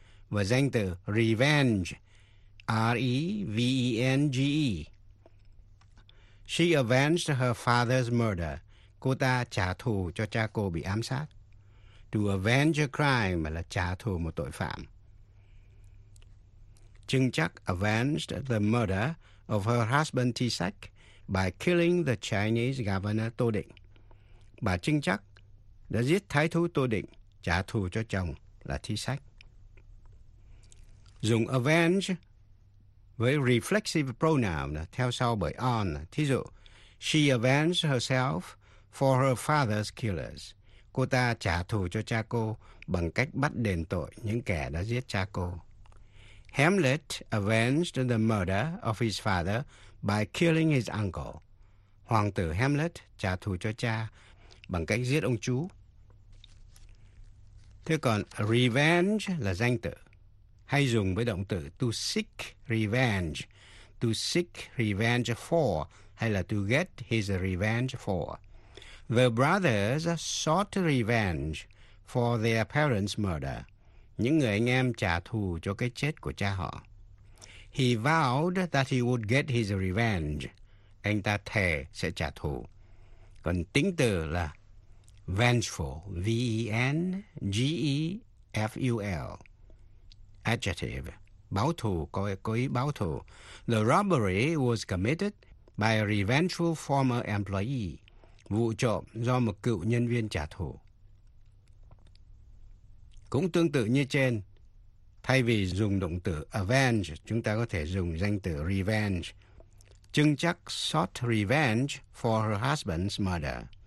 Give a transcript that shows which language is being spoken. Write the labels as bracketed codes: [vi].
[vi] Và danh từ revenge, R-E-V-E-N-G-E. [en] She avenged her father's murder. [vi] Cô ta trả thù cho cha cô bị ám sát. [en] To avenge a crime [vi] là trả thù một tội phạm. [en] Trưng chắc avenged the murder of her husband T-Sack by killing the Chinese governor Tô Định. [vi] Bà Trưng chắc đã giết thái thú Tô Định, trả thù cho chồng là T-Sack. Dùng avenge với reflexive pronoun theo sau bởi on. Thí dụ, [en] she avenged herself for her father's killers. [vi] Cô ta trả thù cho cha cô bằng cách bắt đền tội những kẻ đã giết cha cô. [en] Hamlet avenged the murder of his father by killing his uncle. [vi] Hoàng tử Hamlet trả thù cho cha bằng cách giết ông chú. Thế còn revenge là danh từ, hay dùng với động từ to seek revenge. [en] To seek revenge for [vi] hay là [en] to get his revenge for. The brothers sought revenge for their parents' murder. [vi] Những người anh em trả thù cho cái chết của cha họ. [en] He vowed that he would get his revenge. [vi] Anh ta thề sẽ trả thù. Còn tính từ là vengeful, V-E-N-G-E-F-U-L. Adjective, báo thù, cố ý báo thù. [en] The robbery was committed by a revengeful former employee. [vi] Vụ trộm do một cựu nhân viên trả thù. Cũng tương tự như trên, thay vì dùng động từ avenge, chúng ta có thể dùng danh từ revenge. [en] Trưng chắc sought revenge for her husband's murder.